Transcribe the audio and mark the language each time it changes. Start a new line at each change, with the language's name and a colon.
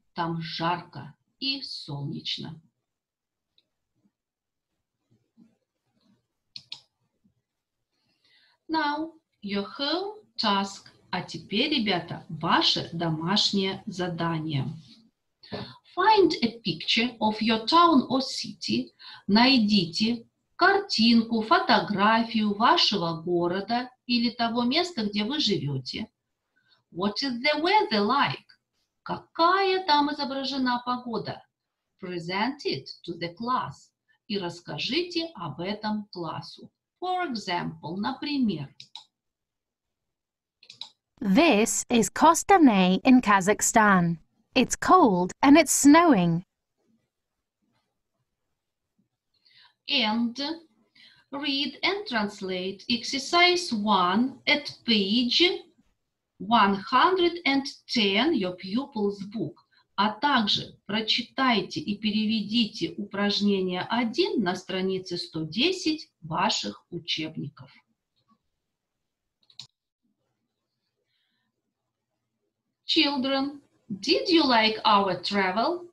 Russian: Там жарко и солнечно.
English: Now, your home task.
Russian: А теперь, ребята, ваше домашнее задание.
English: Find a picture of your town or city.
Russian: Найдите картинку, фотографию вашего города или того места, где вы живете.
English: What is the weather like?
Russian: Какая там изображена погода?
English: Present it to the class.
Russian: И расскажите об этом классу.
English: For example,
Russian: например.
English: This is Костанай in Kazakhstan. It's cold and it's snowing. And read and translate exercise 1 at page 110, your pupil's book.
Russian: А также прочитайте и переведите упражнение 1 на странице 110 ваших учебников.
English: Children, did you like our travel?